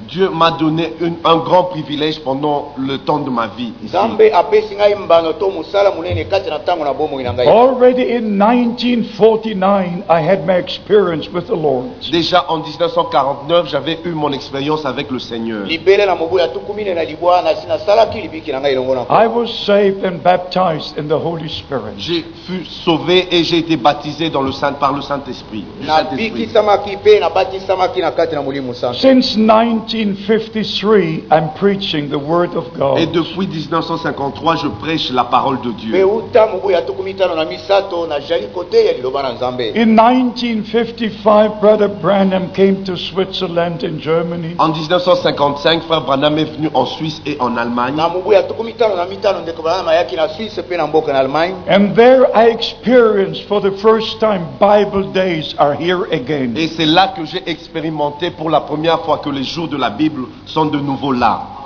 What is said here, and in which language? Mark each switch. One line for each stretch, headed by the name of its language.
French: Dieu m'a donné un grand privilège pendant le temps de ma vie ici.
English: Already in 1949, I had my experience with the Lord.
French: Déjà en 1949, j'avais eu mon expérience avec le Seigneur.
English: I was saved and baptized in the Holy Spirit.
French: J'ai fui sauvé et j'ai été baptisé dans le Saint, par le Saint-Esprit.
English: Since 1953, I'm preaching the word of God.
French: Et depuis 1953, je prêche la parole de Dieu.
English: In 1955, Brother Branham came to Switzerland and Germany.
French: En 1955, Frère Branham est venu en Suisse et en Allemagne.
English: And there I experienced for the first time Bible days are here again.
French: Et c'est là que j'ai expérimenté pour la première fois que les jours de la Bible sont de nouveau là.